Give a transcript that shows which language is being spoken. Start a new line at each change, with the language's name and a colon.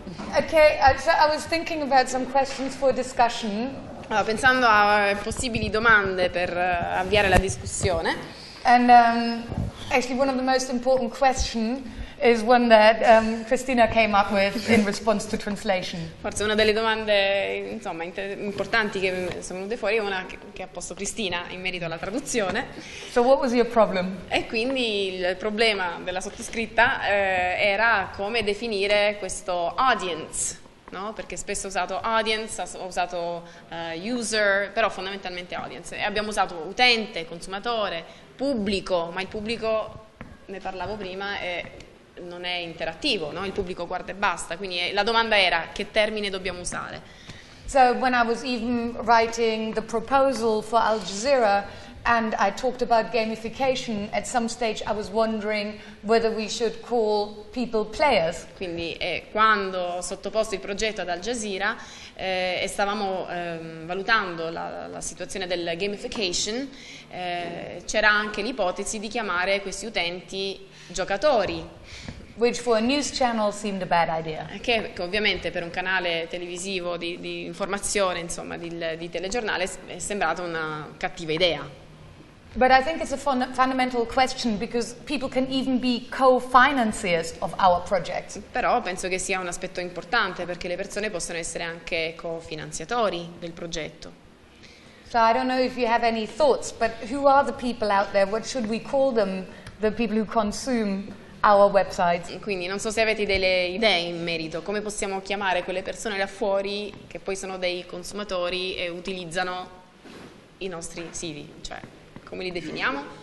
English: Okay, so I was thinking about some questions for discussion.
Italian: Allora, pensando a possibili domande per avviare la discussione.
English: And actually one of the most important question is one that Christina came up with in response to translation.
Italian: Forse una delle domande, insomma, importanti che sono venute fuori è una che ha posto Cristina in merito alla traduzione.
English: So what was your problem?
Italian: E quindi il problema della sottoscritta era come definire questo audience, no? Perché spesso ho usato audience, ho usato user, però fondamentalmente audience. E abbiamo usato utente, consumatore, pubblico, ma il pubblico, ne parlavo prima, è... non è interattivo, no? Il pubblico guarda e basta, quindi la domanda era che termine dobbiamo usare.
English: So when I was even writing the proposal for Al Jazeera and I talked about gamification, at some stage I was wondering whether we should call people players.
Italian: Quindi quando ho sottoposto il progetto ad Al Jazeera e stavamo valutando la situazione del gamification, c'era anche l'ipotesi di chiamare questi utenti giocatori.
English: Which for a news channel seemed a bad idea.
Italian: Che ovviamente per un canale televisivo di informazione, insomma, di telegiornale, è sembrata una cattiva idea.
English: But I think it's a fundamental question because people can even be co-financiers of our project.
Italian: Però penso che sia un aspetto importante perché le persone possono essere anche co-finanziatori del progetto.
English: So I don't know if you have any thoughts, but who are the people out there? What should we call them? The people who consume our website.
Italian: Quindi non so se avete delle idee in merito, come possiamo chiamare quelle persone là fuori che poi sono dei consumatori e utilizzano i nostri siti, cioè come li definiamo?